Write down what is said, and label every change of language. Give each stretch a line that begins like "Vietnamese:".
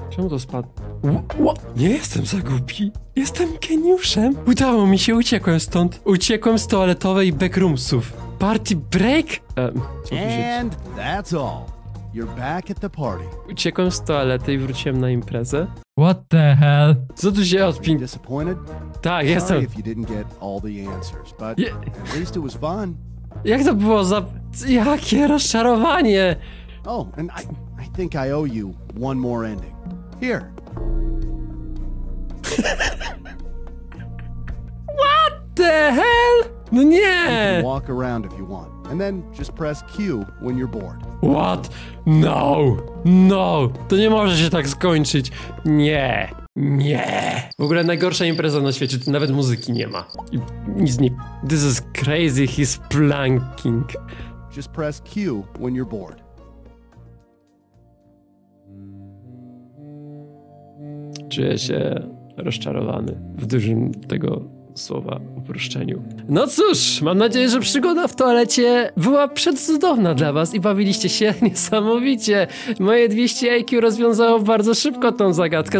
Polish: Czemu to spadło? Nie jestem za głupi. Jestem geniuszem. Udało mi się, uciekłem stąd. Uciekłem z toaletowej backroomsów.
English: Party break? And that's all. You're back at the party.
Polish: Uciekłem z toalety i wróciłem na imprezę.
English: What the hell?
Polish: Co tu się
English: odpin... Disappointed?
Polish: Tak, jestem.
English: Sorry if you didn't get all the answers, but at least it was fun.
Polish: Jak to było za... Jakie rozczarowanie!
English: Oh, and I think I owe you one more ending. Here. What the hell?
Polish: No nie!
English: You can walk around if you want. And then just press Q when you're bored. What? No! No!
Polish: To nie może się tak skończyć! Nie! Nie! W ogóle najgorsza impreza na świecie, to nawet muzyki nie ma. I nic nie...
English: This is crazy, he's planking. Just press Q when you're bored.
Polish: Czuję się rozczarowany w dużym tego słowa uproszczeniu. No cóż, mam nadzieję, że przygoda w toalecie była przecudowna dla was i bawiliście się niesamowicie. Moje 200 IQ rozwiązało bardzo szybko tą zagadkę.